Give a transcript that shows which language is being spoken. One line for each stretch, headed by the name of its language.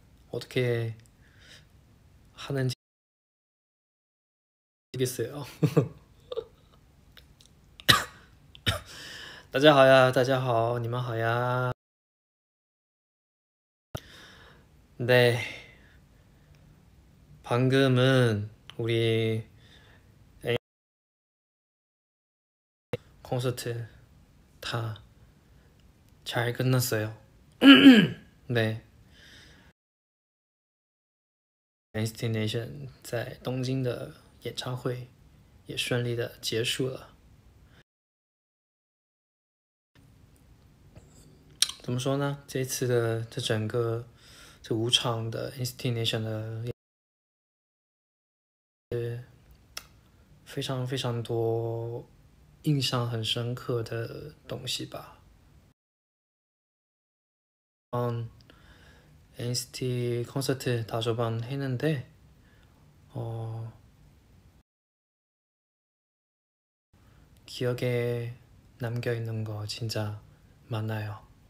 Korean: 어떻게 하는지 모르겠어요.
Chinese: 大家好呀,大家好, 你们好呀.
Korean: 네. 방금은 우리 콘서트 다잘 끝났어요. 네.
Chinese: Destination 在东京的演唱会也顺利的结束了。怎么说呢？这次的这整个这五场的 Destination 的是非常非常多印象很深刻的东西吧。
Korean: NCT 콘서트 다섯 번 했는데, 기억에 남겨 있는 거 진짜 많아요.